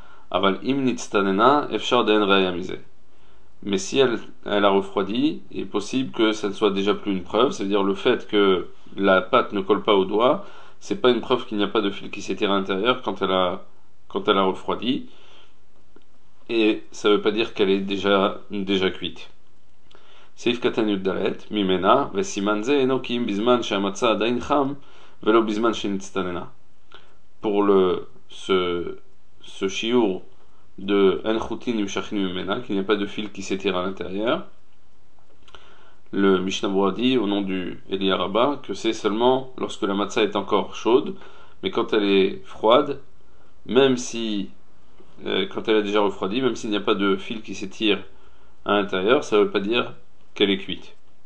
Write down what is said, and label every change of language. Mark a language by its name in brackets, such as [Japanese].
[Hebrew] Aval im nitztanena efshar den reyamize. [French] Mais si elle a refroidi, il est possible que ça ne soit déjà plus une preuve. C'est-à-dire le fait que la pâte ne colle pas au doigt, c'est pas une preuve qu'il n'y a pas de fil qui s'étire à l'intérieur quand elle a refroidi. Et ça ne veut pas dire qu'elle est déjà cuite. [Hebrew] סעיף קטן י' ד' ממנה וסימן זה אינו כי אם בזמן שהמצה עדיין חם ולא בזמן שנצטננה. [French] Pour ce שיעור de [Hebrew] אין חוטין נמשכים ממנה, [French] qu'il n'y a pas de fil qui s'étire à l'intérieur, le Mishnah Berurah dit au nom du Eliyahu Rabba que c'est seulement lorsque la matza est encore chaude, mais quand elle est froide, même si quand elle est déjà refroidie, même s'il n'y a pas de fil qui s'étire à l'intérieur, ça ne veut pas dire qu'elle est cuite.